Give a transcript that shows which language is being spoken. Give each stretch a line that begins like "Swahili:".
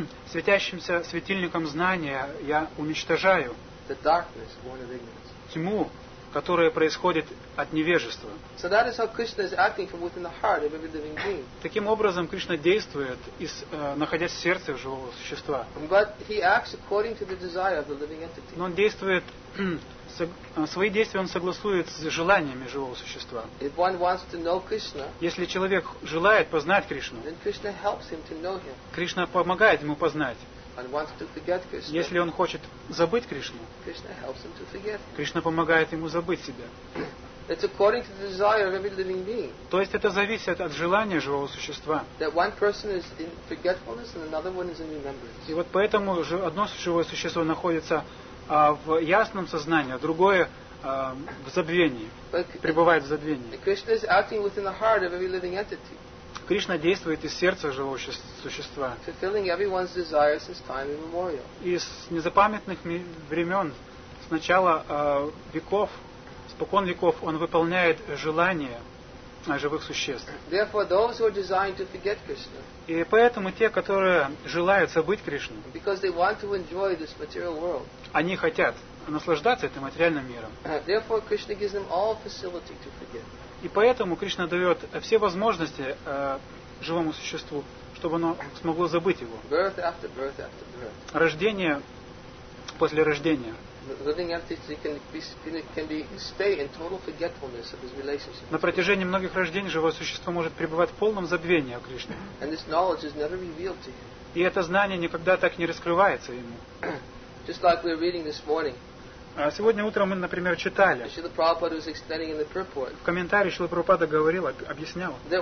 Russian: Светящимся светильником знания я уничтожаю
English: the darkness born of ignorance.
Russian: Тьму, которое происходит от невежества.
English: So that is how Krishna is acting from within the heart of every living being.
Russian: Таким образом, Кришна действует, находясь в сердце живого существа.
English: But he acts according to the desire of the living entity.
Russian: Но он действует, свои действия он согласует с желаниями живого существа.
English: If one wants to know Krishna,
Russian: если человек желает познать Кришну,
English: then Krishna helps him to know him.
Russian: Кришна помогает ему познать.
English: And wants to forget Krishna.
Russian: Если он хочет забыть Кришну,
English: Krishna helps him to forget.
Russian: Кришна помогает ему забыть себя.
English: It's according to the desire of every living being.
Russian: То есть это зависит от желания живого существа.
English: That one person is in forgetfulness and another one is in remembrance.
Russian: И вот поэтому одно живое существо находится в ясном сознании, а другое в забвении, пребывает в забвении.
English: Krishna is acting within the heart of every living entity.
Russian: Кришна действует из сердца живого существа.
English: Fulfilling everyone's desires since time immemorial.
Russian: Из незапамятных времен, с начала веков, спокон веков, он выполняет желания живых существ.
English: Therefore, those who are designed to forget Krishna,
Russian: и поэтому те, которые желают забыть Кришну,
English: because they want to enjoy this material world,
Russian: они хотят наслаждаться этим материальным миром.
English: Therefore, Krishna gives them all facility to forget.
Russian: И поэтому Кришна дает все возможности живому существу, чтобы оно смогло забыть его.
English: Birth after birth after birth.
Russian: Рождение после рождения.
English: Living entity can be stay in total forgetfulness of his relationship.
Russian: На протяжении многих рождений живое существо может пребывать в полном забвении о Кришне.
English: And this knowledge is never revealed to him.
Russian: И это знание никогда так не раскрывается ему.
English: Just like we're reading this morning.
Russian: Сегодня утром мы, например, читали. В комментарии Шрила Прабхупада говорил, объяснял.